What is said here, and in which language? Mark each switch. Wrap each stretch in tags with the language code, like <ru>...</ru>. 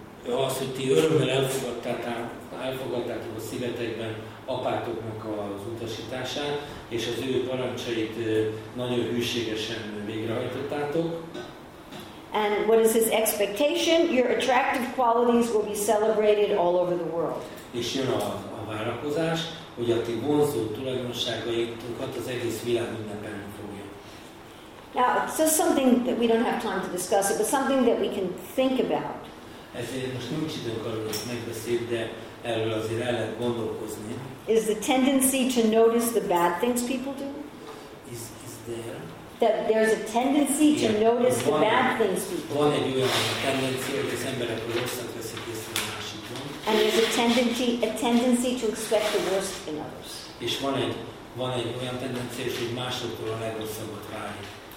<hu>Azt, hogy ti örömmel elfogadtátok a szívetekben apátoknak az utasítását, és az ő parancsait nagyon hűségesen végrehajtottátok.</hu> <en>And what is his expectation? Your attractive qualities will be celebrated all over the world.</en> <hu>És jön a várakozás, hogy a ti vonzó tulajdonságaitokat az egész világ ünnepelni.</hu> <en>Now, so something that we don't have time to discuss it, but something that we can think about.</en> <hu>Ezért most nincs időnk arra, hogy megbeszéljük, de erről azért el lehet gondolkozni.</hu> <en>Is the tendency to notice the bad things people do? Is there? That there's a tendency to notice the bad things people do.</en> <hu>Van egy olyan tendenci, hogy az emberek rosszat veszik észre a másikon.</hu> <en>And there's a tendency to expect the worst in others.</en> <hu>És van egy olyan tendenci, hogy másoktól a legrosszabbat várjuk.</hu>